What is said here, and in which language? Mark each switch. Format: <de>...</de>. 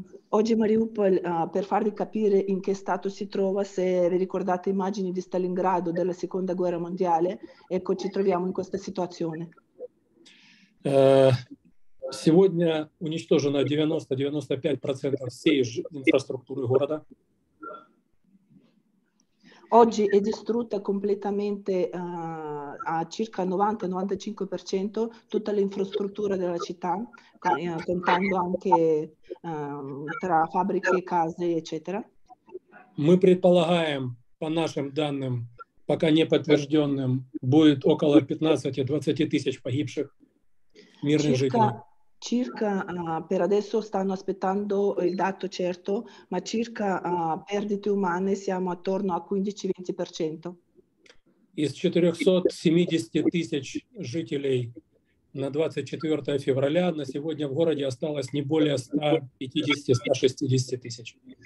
<it>Oggi Mariupol, per farvi capire in che stato si trova, se vi ricordate immagini di Stalingrado della Seconda Guerra Mondiale, ecco, ci troviamo in questa situazione.</it> <ru>Сегодня уничтожено 90-95% всей инфраструктуры города.</ru> <it>Oggi è distrutta completamente a circa 90-95% tutta l'infrastruttura della città, contando anche tra fabbriche, case, eccetera.</it> <ru>Мы предполагаем, по нашим данным, пока не подтвержденным, будет около 15-20 тысяч погибших.</ru> <it>Circa, circa per adesso stanno aspettando il dato certo, ma circa perdite umane siamo attorno a 15-20%.</it> <ru>Из 470 тысяч жителей на 24 февраля на сегодня в городе осталось не более 150-160 тысяч.</ru>